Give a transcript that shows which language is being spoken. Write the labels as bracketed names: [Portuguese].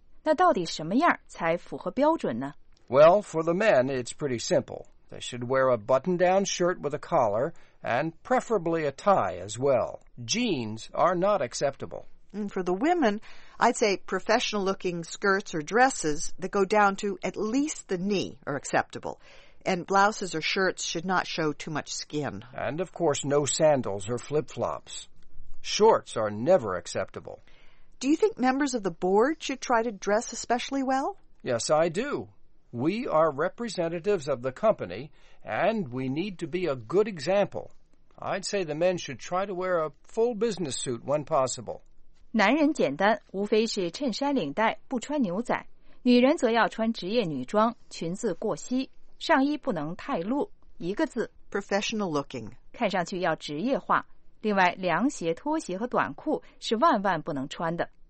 [Chinese] 那到底什么样才符合标准呢? [English] Well, for the men, it's pretty simple. They should wear a button-down shirt with a collar,And preferably a tie as well. Jeans are not acceptable. And for the women, I'd say professional-looking skirts or dresses that go down to at least the knee are acceptable. And blouses or shirts should not show too much skin. And of course, no sandals or flip-flops. Shorts are never acceptable. Do you think members of the board should try to dress especially well? Yes, I do. We are representatives of the company, and we need to be a good example. I'd say the men should try to wear a full business suit when possible. [Chinese] 男人简单，无非是衬衫领带，不穿牛仔。女人则要穿职业女装，裙子过膝，上衣不能太露。一个字 [English] ,professional looking. [Chinese] 看上去要职业化。另外，凉鞋、拖鞋和短裤是万万不能穿的。